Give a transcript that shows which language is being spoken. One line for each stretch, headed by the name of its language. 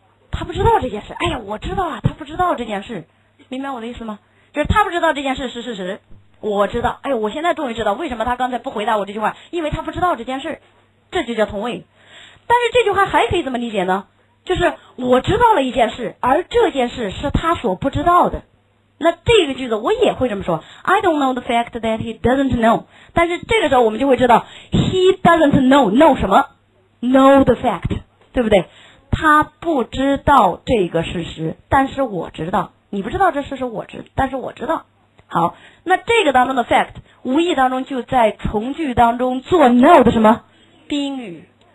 Chinese: 他不知道这件事。哎呀，我知道啊，他不知道这件事，明白我的意思吗？就是他不知道这件事是事实，我知道。哎呀，我现在终于知道为什么他刚才不回答我这句话，因为他不知道这件事，这就叫同位。但是这句话还可以怎么理解呢？就是我知道了一件事，而这件事是他所不知道的。那这个句子我也会这么说，
English: I don't know the fact that he doesn't know。
Chinese: 但是这个时候我们就会知道
English: he doesn't know know
Chinese: 什么，
English: know the fact，
Chinese: 对不对？他不知道这个事实，但是我知道。你不知道这事实，我知，但是我知道。好，那这个当中的 fact 无意当中就在从句当中做 know 的什么宾语。